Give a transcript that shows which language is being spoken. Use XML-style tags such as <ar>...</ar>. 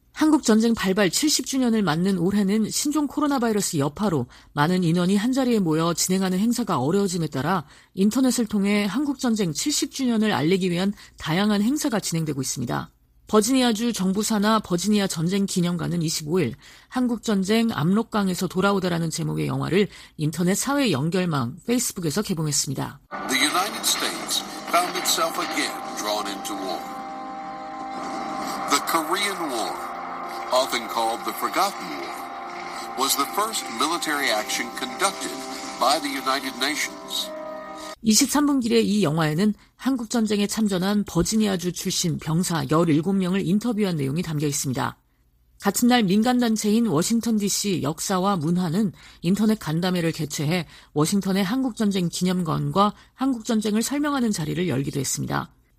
<ko>한국전쟁 발발 70주년을 맞는 올해는 신종 코로나 바이러스 여파로 많은 인원이 한자리에 모여 진행하는 행사가 어려워짐에 따라 인터넷을 통해 한국전쟁 70주년을 알리기 위한 다양한 행사가 진행되고 있습니다. 버지니아주 정부 산하 버지니아 전쟁 기념관은 25일 한국전쟁 압록강에서 돌아오다라는 제목의 영화를 인터넷 사회 연결망 페이스북에서 개봉했습니다.</ko> <en>The United States found itself again drawn into war. The Korean War, often called the Forgotten War, was the first military action conducted by the United Nations.</en> <ko>23분 길의 이 영화에는 한국전쟁에 참전한 버지니아주 출신 병사 17명을 인터뷰한 내용이 담겨 있습니다. 같은 날 민간단체인 워싱턴 DC 역사와 문화는 인터넷 간담회를 개최해 워싱턴의 한국전쟁 기념관과 한국전쟁을 설명하는 자리를 열기도 했습니다.</ko>